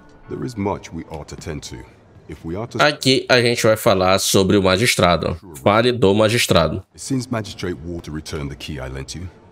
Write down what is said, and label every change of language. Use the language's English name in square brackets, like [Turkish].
[English] There is much we ought to attend to. If we are to... [Portuguese] Aqui a gente vai falar sobre o magistrado. Fale do magistrado. [English] Since Magistrate Walter returned the key I lent you.